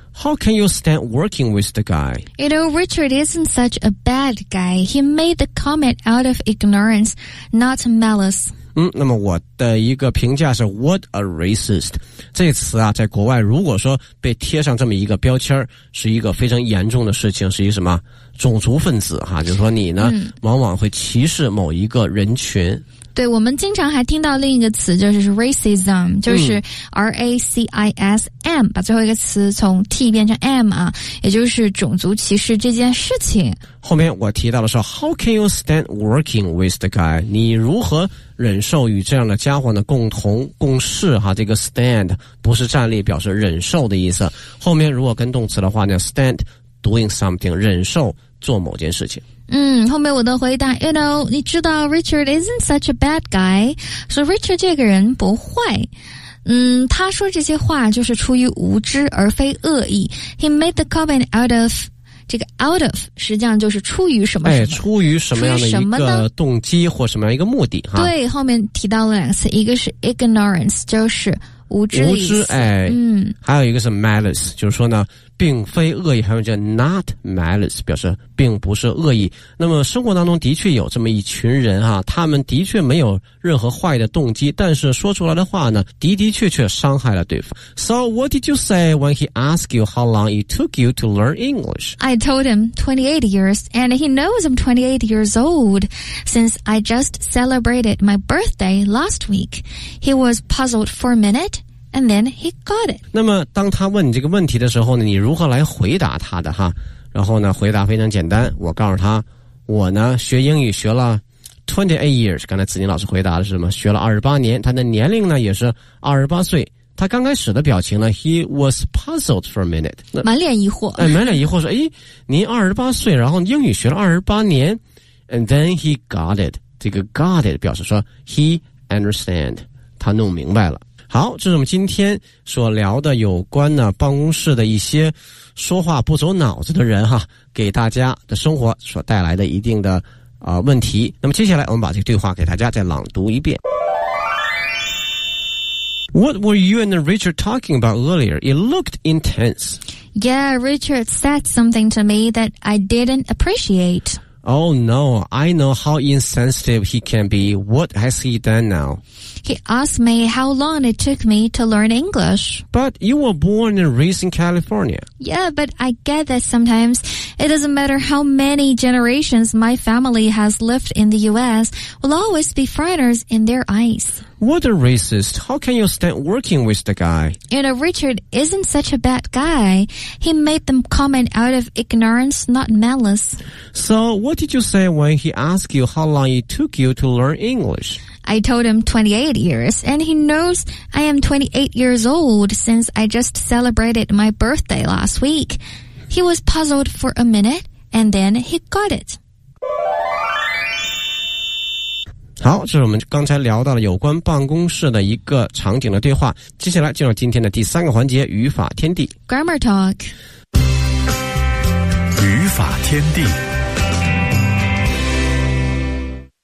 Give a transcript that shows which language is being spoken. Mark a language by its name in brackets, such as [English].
[English] How can you stand working with the guy? You know, Richard isn't such a bad guy. He made the comment out of ignorance, not malice. [Chinese] 嗯，那么我的一个评价是 [English] What a racist. [Chinese] 这词啊，在国外如果说被贴上这么一个标签，是一个非常严重的事情，是一个什么种族分子哈，就是说你呢，往往会歧视某一个人群。对，我们经常还听到另一个词，就是 racism， 就是 R-A-C-I-S-M， 把最后一个词从 T 变成 M 啊，也就是种族歧视这件事情。后面我提到的是 [English] How can you stand working with the guy？ [Chinese] 你如何忍受与这样的家伙呢共同共事哈？这个 stand 不是站立，表示忍受的意思。后面如果跟动词的话呢 ， [English] stand doing something， [Chinese] 忍受做某件事情。嗯，后面我的回答 [English] You know， [Chinese] 你知道 [English] Richard isn't such a bad guy， [Chinese] 所以 Richard 这个人不坏。嗯，他说这些话就是出于无知而非恶意。 [English] He made the comment out of， [Chinese] 这个 out of 实际上就是出于什么什么，哎，出于什么样的一个动机或什么样一个目的哈。对，后面提到了两个词，一个是 ignorance， 就是无知的意思，无知，哎，还有一个是 malice， 就是说呢并非恶意，还有叫 [English] not malice， [Chinese] 表示并不是恶意。那么生活当中的确有这么一群人哈，他们的确没有任何坏的动机，但是说出来的话呢的的确确伤害了对方。 [English] So what did you say when he asked you how long it took you to learn English? I told him 28 years and he knows I'm 28 years old since I just celebrated my birthday last week. He was puzzled for a minuteAnd then he got it. [Chinese] 那么当他问你这个问题的时候呢，你如何来回答他的哈？然后呢，回答非常简单，我告诉他，我呢学英语学了 [English] 28 years， [Chinese] 刚才子宁老师回答的是什么？学了28年，他的年龄呢也是28岁。他刚开始的表情呢 ， [English] He was puzzled for a minute， [Chinese] 满脸疑惑。哎，满脸疑惑说，哎，您28岁，然后英语学了28年 ， [English] And then he got it。 [Chinese] 这个 got it 表示说 [English] he understand， [Chinese] 他弄明白了。好，这是我们今天所聊的有关呢办公室的一些说话不走脑子的人哈，给大家的生活所带来的一定的问题。那么接下来我们把这个对话给大家再朗读一遍。 [English] What were you and Richard talking about earlier? It looked intense. Yeah, Richard said something to me that I didn't appreciate. Oh no, I know how insensitive he can be. What has he done now? He asked me how long it took me to learn English. But you were born and raised in California. Yeah, but I get that sometimes it doesn't matter how many generations my family has lived in the U.S., we'll always be foreigners in their eyes. What a racist. How can you stand working with the guy? You know, Richard isn't such a bad guy. He made them comment out of ignorance, not malice. So what did you say when he asked you how long it took you to learn English? I told him 28 years, and he knows I am 28 years old since I just celebrated my birthday last week. He was puzzled for a minute, and then he got it. [Chinese] 好，这是我们刚才聊到了有关办公室的一个场景的对话。接下来进入今天的第三个环节，语法天地 [English] Grammar Talk。 [Chinese] 语法天地，